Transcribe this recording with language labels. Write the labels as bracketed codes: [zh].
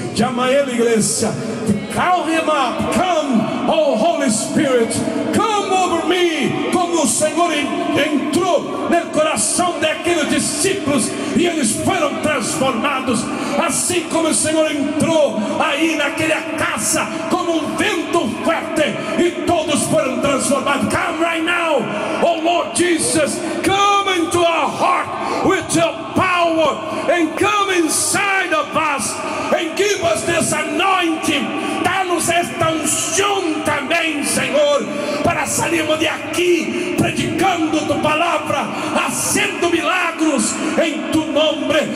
[pt] Chama ele, igreja. [en] Call him up. Come, oh Holy Spirit, come over me. [pt] Como o Senhor entrou no coração daqueles discípulos e eles foram transformados, assim como o Senhor entrou aí naquela casa como um vento forte e todos foram transformados. [en] Come right now, oh Lord Jesus, come into our heart with your power and come inside of us and give us this anointing. [pt] Dá-nos esta unção também, Senhor, para sairmos de aqui predicando tua palavra, fazendo milagros em tu nome.